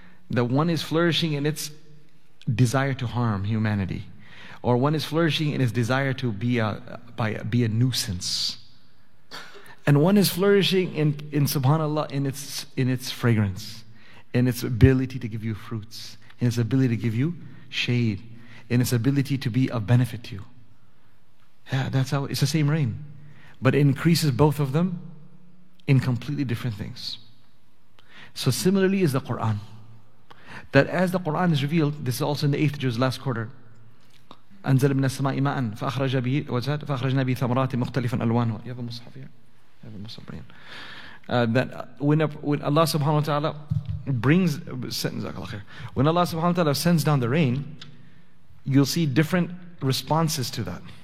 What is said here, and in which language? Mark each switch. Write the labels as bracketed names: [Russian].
[English] The one is flourishing in its desire to harm humanity, or one is flourishing in its desire to be a nuisance, and one is flourishing in subhanAllah in its fragrance, in its ability to give you fruits, in its ability to give you shade, in its ability to be of benefit to you. Yeah, that's how it's the same rain, but it increases both of them in completely different things. So similarly is the Quran. That as the Quran is revealed, this is also in the 8th Juz, last quarter. [Arabic] أنزل من السماء ماء فأخرج به [English] what's that? [Arabic] فأخرجنا به ثمرات مختلفا ألوانه. [English] You have a Mus'haf here? You have a Mus'haf here. When Allah subhanahu wa ta'ala brings, when Allah subhanahu wa ta'ala sends down the rain, you'll see different responses to that.